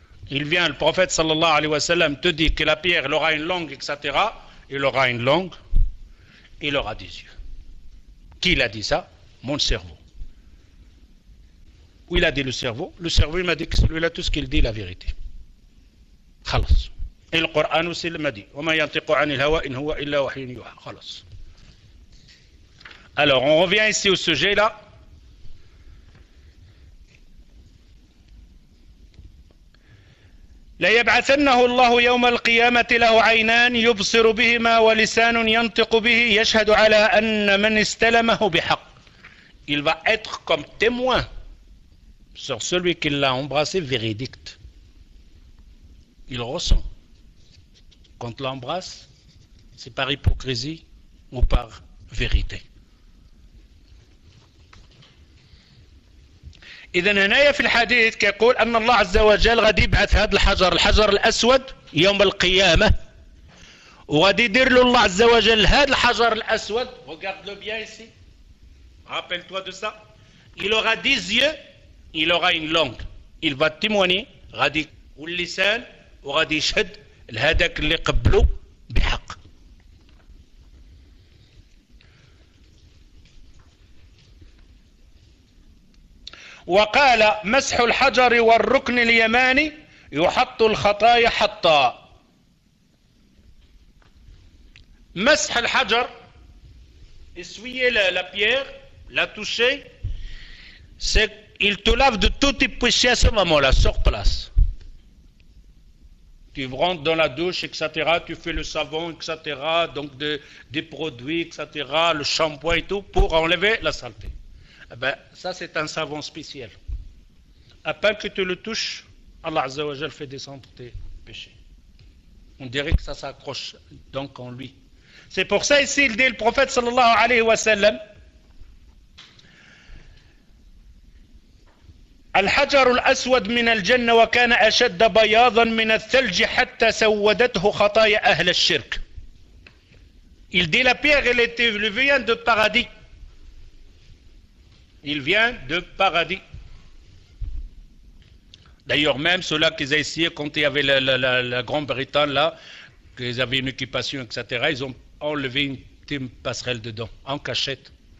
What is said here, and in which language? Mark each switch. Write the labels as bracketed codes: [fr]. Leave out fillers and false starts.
[fr] Il vient, le prophète sallallahu alayhi wa sallam te dit que la pierre elle aura une langue, etc. Il aura une langue, il aura des yeux. Qui l'a dit ça? Mon cerveau. Où il a dit le cerveau? Le cerveau il m'a dit que celui-là, tout ce qu'il dit, la vérité. [ar] خلاص القران وسل مدي وما ينطق عن الهوى ان هو الا وحي يوحى خلاص. [fr] Alors on revient ici au sujet là. [ar] لا يبعثنه الله يوم القيامه له عينان يبصر بهما ولسان ينطق به يشهد على ان من استلمه بحق. [fr] Il va être comme témoin sur celui qui l'a embrassé véridique. Il ressent. Quand l'embrasse, c'est par hypocrisie ou par vérité. [ar] إذن هنا في الحديث كيقول أن الله عز وجل غادي يبعث هذا الحجر الحجر الأسود يوم القيامة وغادي يدير له الله عز وجل هذا الحجر الأسود. [fr] Regarde le bien ici. Rappelle-toi de ça. Il aura des yeux, il aura une langue. Il va témoigner, [ar] غادي واللسان وغادي يشهد لهذاك اللي قبله بحق. وقال مسح الحجر والركن اليماني يحط الخطايا حطا. مسح الحجر [fr] essuyer la pierre, la toucher, il te lave de tout tes péchés à ce moment-là, sur place. Tu rentres dans la douche, etc., tu fais le savon, etc., donc des produits, etc., le shampoing et tout, pour enlever la saleté. Eh bien, ça c'est un savon spécial. À peine que tu le touches, Allah Azza wa Jal fait descendre tes péchés. On dirait que ça s'accroche donc en lui. C'est pour ça ici, il dit le prophète sallallahu alayhi wa sallam, [ar] الحجر الأسود من الجنة وكان أشد بياضا من الثلج حتى سودته خطايا أهل الشرك. [fr] Il dit la pierre elle vient de paradis. Il vient de paradis. D'ailleurs même ceux-là qu'ils ont essayé quand il y avait la Grande-Bretagne là, qu'ils avaient une occupation etc. Ils ont enlevé une passerelle dedans en cachette.